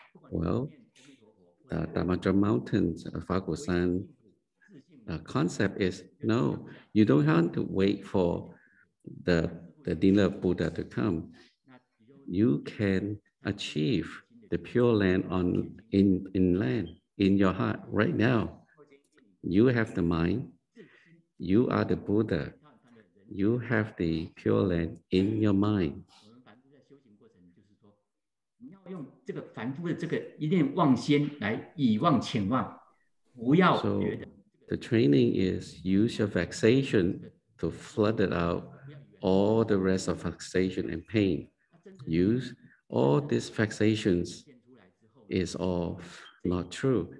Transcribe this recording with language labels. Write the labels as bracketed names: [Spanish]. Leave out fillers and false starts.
[English] Well, the Damodar Mountains, Fagusan concept is, no, you don't have to wait for the Nila Buddha to come. You can achieve the pure land in your heart right now. You have the mind. You are the Buddha. You have the pure land in your mind. [Chinese] 凡夫的修行过程就是说，你要用这个凡夫的这个一念妄心来以妄遣妄，不要觉得。 [English] So the training is use your vexation to flood it out all the rest of vexation and pain. Use all these vexations is all not true.